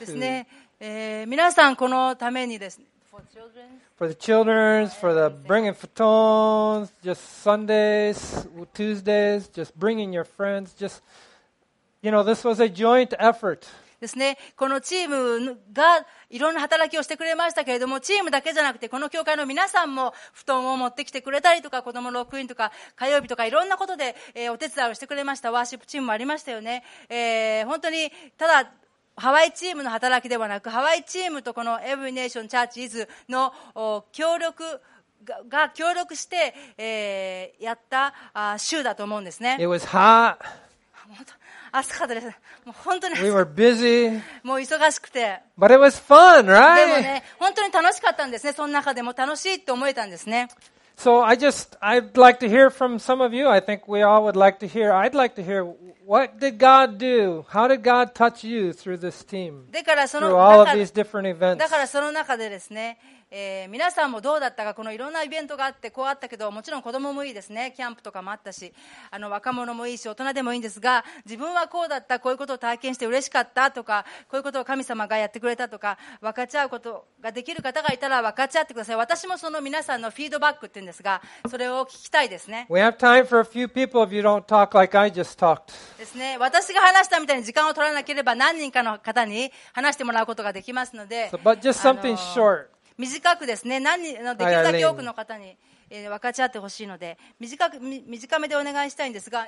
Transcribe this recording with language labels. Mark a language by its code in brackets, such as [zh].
[ja] ですね、皆さんこのためにですね、 [en] For children? For the children, for the bringing futons, just Sundays, Tuesdays, just bringing your friends, just, you know, this was a joint effort. [ja] ですね、このチームがいろんな働きをしてくれましたけれども、チームだけじゃなくてこの教会の皆さんも布団を持ってきてくれたりとか、子どもの録音とか火曜日とかいろんなことで、お手伝いをしてくれました。ワーシップチームもありましたよね、本当にただハワイチームの働きではなく、ハワイチームとこのエブリネーションチャーチーズの協力 が協力して、やった週だと思うんですね。 [en] It was hot. [ja] 本当、暑かったです。もう本当に。 [en] We were busy. [ja] もう忙しくて。 [en] But it was fun, right? [ja] でもね、本当に楽しかったんですね。その中でも楽しいと思えたんですね。 [en] So I'd like to hear from some of you. I think we all would like to hear. I'd like to hear what did God do? How did God touch you through this team? Through all of these different events. [ja] だからその中でですね、皆さんもどうだったか、このいろんなイベントがあってこうあったけど、もちろん子供もいいですね、キャンプとかもあったし、あの若者もいいし大人でもいいんですが、自分はこうだった、こういうことを体験して嬉しかったとか、こういうことを神様がやってくれたとか、分かち合うことができる方がいたら分かち合ってください。私もその皆さんのフィードバックって言うんですが、それを聞きたいですね。 [en] We have time for a few people if you don't talk like I just talked. [ja] ですね。私が話したみたいに時間を取らなければ何人かの方に話してもらうことができますので、 [en] so, but just something short. [ja] 短くですね、何人できるだけ多くの方に、分かち合ってほしいので短めでお願いしたいんですが、